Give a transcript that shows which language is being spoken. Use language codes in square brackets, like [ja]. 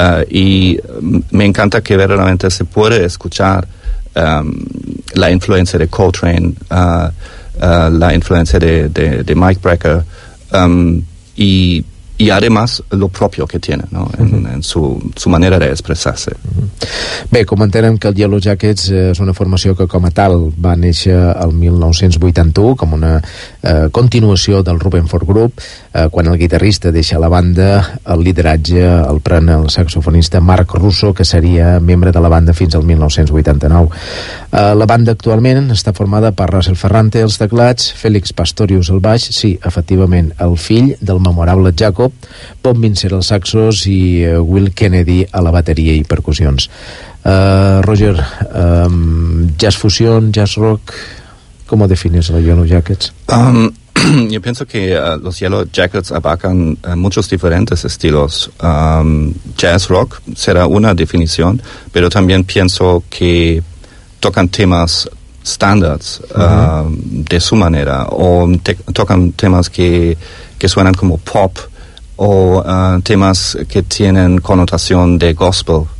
[es] Y me encanta que verdaderamente se puede escuchar la influencia de Coltrane, la influencia de Mike Brecker, y además lo propio que tiene, ¿no? En su manera de expresarse. [ca] Bé, comentarem que el Yellow Jackets és una formació que com a tal va néixer el 1981 com una continuació del Rubenford Group, quan el guitarrista deixa la banda, el lideratge el pren el saxofonista Mark Russo, que seria membre de la banda fins al 1989. La banda actualment està formada per Russell Ferrante als teclats, Félix Pastorius al baix, sí, efectivament el fill del memorable Jacob, Bob Minzer als saxos i Will Kennedy a la bateria i percussions. [es] Roger, jazz fusión, jazz rock, ¿cómo defines los Yellow Jackets? Yo pienso que los Yellow Jackets abarcan muchos diferentes estilos. Jazz rock será una definición, pero también pienso que tocan temas standards de su manera, o tocan temas que suenan como pop, o temas que tienen connotación de gospel.